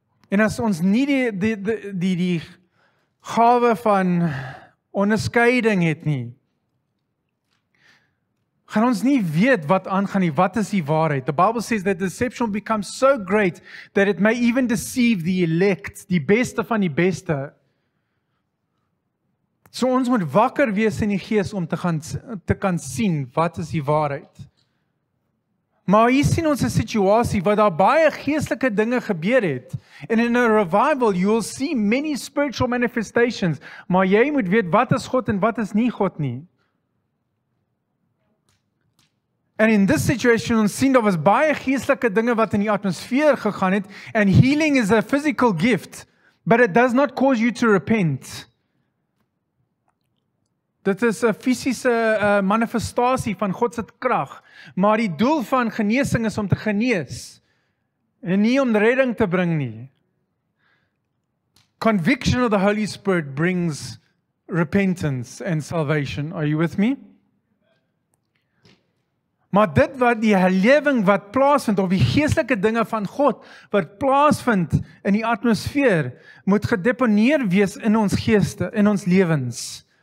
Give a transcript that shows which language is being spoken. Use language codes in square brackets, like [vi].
[af] En as ons nie die gawe van onderskeiding het nie, gaan ons nie weet wat aangaan nie, wat is die waarheid. [en] The Bible says that deception becomes so great that it may even deceive the elect, [af] die beste van die beste. So ons moet wakker wees in die gees om te kan sien wat is die waarheid. Maar hier sien ons 'n situasie waar daar baie geestelike dinge gebeur het. [en] And in a revival you will see many spiritual manifestations. [af] Maar jy moet weet wat is God en wat is nie God nie. [en] And in this situation, [af] ons sien daar was baie geestelike dinge wat in die atmosfeer gegaan het. [en] And healing is a physical gift, but it does not cause you to repent. [af] Dit is 'n fisiese manifestasie van God se krag, maar die doel van genesing is om te genees en nie om redding te bring nie. [en] Conviction of the Holy Spirit brings repentance and salvation. Are you with me? [af] Maar dit wat die herlewing wat plaasvind of die geestelike dinge van God wat plaasvind in die atmosfeer moet gedeponeer wees in ons geeste, in ons lewens.